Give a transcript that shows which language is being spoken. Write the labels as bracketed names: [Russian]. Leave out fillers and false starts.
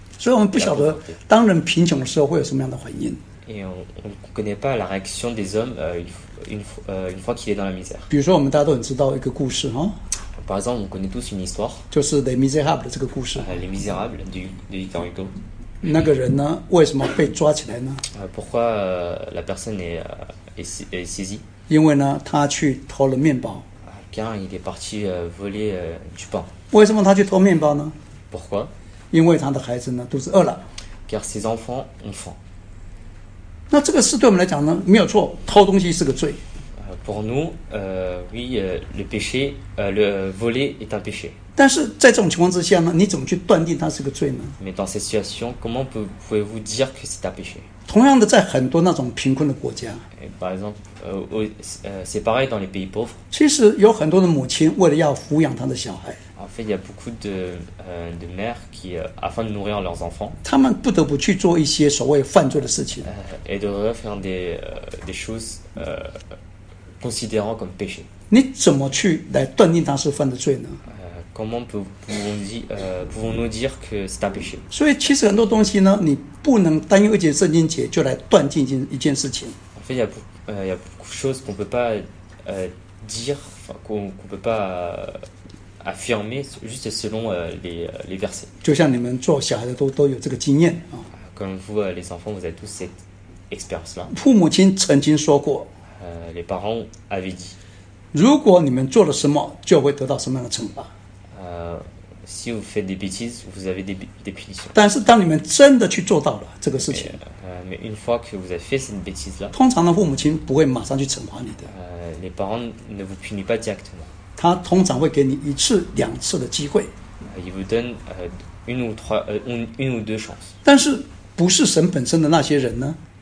[Chinese] 所以我们不晓得当人贫穷的时候会有什么样的反应。 [French] Et on ne connaît pas la réaction des hommes une fois qu'il est dans la misère. [Chinese] 比如说我们大家都很知道一个故事哈。 [French] Par exemple, on connaît tous une histoire. [Chinese] 就是 Les Misérables 这个故事。 [French] Les Misérables de Victor Hugo. [Chinese] 那个人呢，为什么被抓起来呢？ [French] Pourquoi la personne est est saisie? [Chinese] 因为呢，他去偷了面包。 [French] Car il est parti voler du pain. [Chinese] 为什么他去偷面包呢 [French] ？Pourquoi? [Chinese] 因为他的孩子呢肚子饿了。 [French] Car ses enfants ont faim. [Chinese] 那这个事对我们来讲呢，没有错，偷东西是个罪。 [French] Pour nous, oui, le péché, le voler est un péché. [Chinese] 但是在这种情况之下呢，你怎么去断定它是个罪呢 [French] ？Mais dans cette situation, comment pouvez-vous dire que c'est un péché? [Chinese] 同样的，在很多那种贫困的国家。 [French] Par exemple, c'est pareil dans les pays pauvres. [Chinese] 其实有很多的母�in为了要抚养他的小孩。 [French] En fait, il y a beaucoup de mères qui, afin de nourrir leurs enfants, [Chinese] 他们不得不去做一些所谓犯罪的事情。 [French] Et devraient faire des choses. Considérant comme péché. [Chinese] 你怎么去来断定他是犯的罪呢 [French] ？Comment pouvons-nous dire que c'est un péché？ [Chinese] 所以其实很多东西呢，你不能单用一节圣经节就来断定一件事情。 [French] En fait, il y a beaucoup de choses qu'on peut pas dire, qu'on peut pas affirmer juste selon les versets. [Chinese] 就像你们做小孩的都有这个经验啊。 [French] Comme vous, les enfants, vous avez tous cette expérience-là. [Chinese] 父母亲曾经说过。 [French] Les parents avaient dit. [Chinese] 如果你们做了什么，就会得到什么样的惩罚。 [French] Si vous faites des bêtises, vous avez des punitions. [Chinese] 但是当你们真的去做到了这个事情 [French] mais une fois que vous avez fait cette bêtise-là, [Chinese] 通常的父母亲不会马上去惩罚你的。 [French] Les parents ne vous punissent pas directement. [Chinese] 他通常会给你一次两次的机会。 [French] Ils vous donnent une ou deux chances. [Chinese] 但是不是神本身的那些人呢？